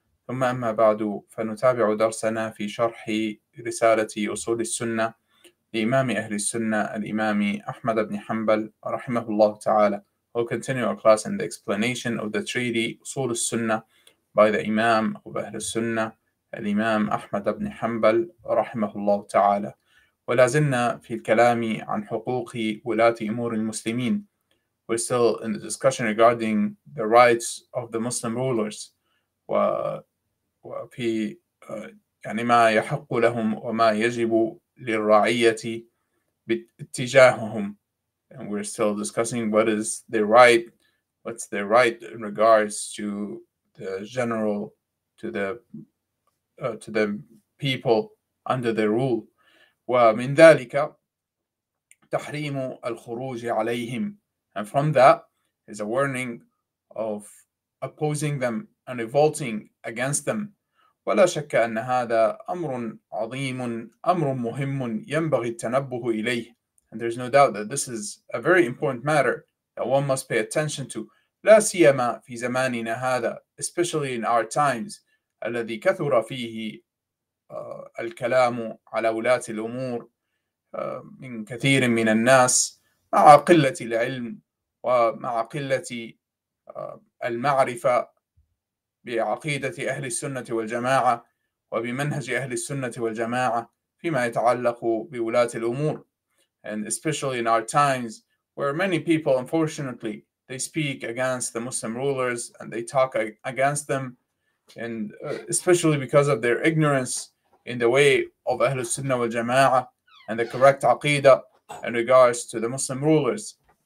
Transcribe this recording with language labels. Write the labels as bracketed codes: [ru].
[ar] ثم أما بعد، فنتابع درسنا في شرح رسالة أصول السنة الإمام أهل السنة الإمام أحمد بن حنبل رحمه الله تعالى. [en] We'll continue our class in the explanation of the treaty أصول السنة by the Imam of أهل السنة الإمام أحمد بن حنبل [ar] رحمه الله تعالى. ولازلنا في الكلام عن حقوق ولاة أمور المسلمين. [en] We're still in the discussion regarding the rights of the Muslim rulers. [ar] وفي يعني ما يحق لهم وما يجب للرعية باتجاههم. [en] And we're still discussing what is their right, what's their right in regards to the general, to the people under their rule. [ar] ومن ذلك تحريم الخروج عليهم. [en] And from that is a warning of opposing them and revolting against them. [ar] ولا شك أن هذا أمر عظيم أمر مهم ينبغي التنبه إليه. [en] And there's no doubt that this is a very important matter that one must pay attention to. [ar] لا سيما في زماننا هذا, [en] especially in our times, [ar] الذي كثر فيه الكلام على ولاة الأمور من كثير من الناس مع قلة العلم ومع قلة المعرفة بعقيدة أهل السنة والجماعة وبمنهج أهل السنة والجماعة فيما يتعلق بولاة الأمور. [en] And especially in our times where many people unfortunately they speak against the Muslim rulers and they talk against them, and especially because of their ignorance in the way of أهل السنة والجماعة and the correct عقيدة in regards to the Muslim rulers.